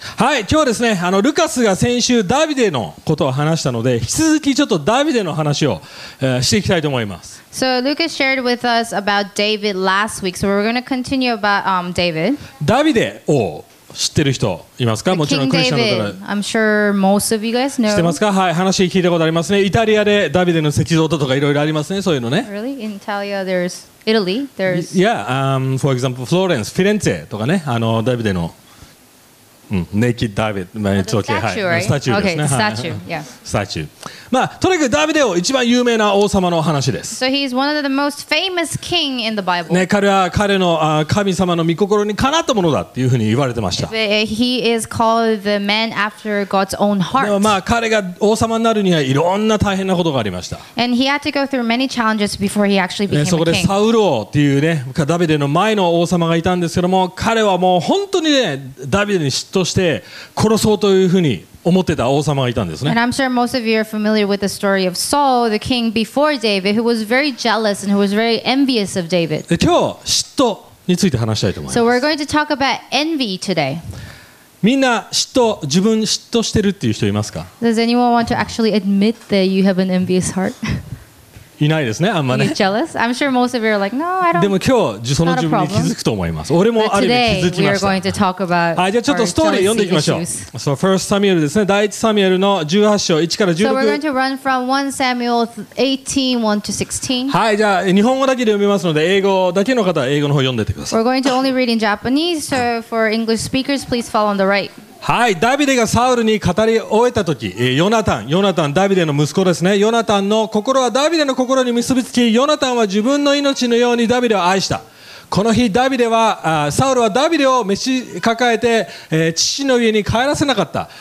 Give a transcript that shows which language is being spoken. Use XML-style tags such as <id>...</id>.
<ja>はい、今日ですね、ルカスが先週ダビデのことを話したので、引き続きちょっとダビデの話を、していきたいと思います。</ja> <en>So Lucas shared with us about David last week, so we're going to continue about David.</en> <ja>ダビデを知ってる人いますか？もちろんクリスチャンの方。</ja> <en>I'm sure most of you guys know.</en> <ja>知ってますか？はい、話聞いたことありますね。イタリアでダビデの石像とかいろいろありますね、そういうのね。</ja> <en>Really? In Italia, there's Italy, there's... Yeah, for example, Florence, Firenze</en> <ja>とかね、ダビデの。ネイキッドダビデ、まあ、</ja> <en>it's okay.</en> <ja>はい、スタチューですね。</ja> <en>Okay. スタチュー、</en> <ja>スタチュー。まあ、とにかくダビデを一番有名な王様の話です。</ja> <en>So he's one of the most famous king in the Bible.</en> <ja>ね、彼は彼の神様の御心にかなったものだっていうふうに言われてました。</ja> <en>He is called the man after God's own heart.</en> <ja>でもまあ、彼が王様になるにはいろんな大変なことがありました。</ja> <en>And he had to go through many challenges before he actually became king.</en> <ja>そこでサウル王っていうね、ダビデの前の王様がいたんですけども、彼はもう本当にね、ダビデに嫉妬して殺そうというふうに思ってた王様がいたんですね。</ja> <en>And I'm sure most of you are familiar with the story of Saul, the king before David, who was very jealous and who was very envious of David.</en> <ja>で、今日嫉妬について話したいと思います。</ja> <en>So we're going to talk about envy today.</en> <ja>みんな嫉妬、自分嫉妬してるっていう人いますか？</ja> <en>Does anyone want to actually admit that you have an envious heart?</en> <ja>いないですね、あんまね。</ja> <en>You're jealous? I'm sure most of you are like, no, I don't.</en> <ja>でも今日その自分に気づくと思います。俺もある意味気づきました。</ja> <en>Today, we are going to talk about our jealousy issues.</en> <ja>じゃあちょっとストーリー読んでいきましょう。</ja> <en>So, First Samuel</en> <ja>ですね。第一サミュエルの18章、1から16。</ja> <en>So, we're going to run from 1 Samuel 18, 1 to 16.</en> <ja>はい、じゃあ日本語だけで読みますので、英語だけの方は英語の方読んでてください。</ja> <en>We're going to only read in Japanese, so for English speakers, please follow on the right.</en> <ja>はい、ダビデがサウルに語り終えた時、ヨナタン、ダビデの息子ですね。ヨナタンの心はダビデの心に結びつき、ヨナタンは自分の命のようにダビデを愛した。この日ダビデは、サウルはダビデを召し抱えて、父の家に帰らせなかった。</ja>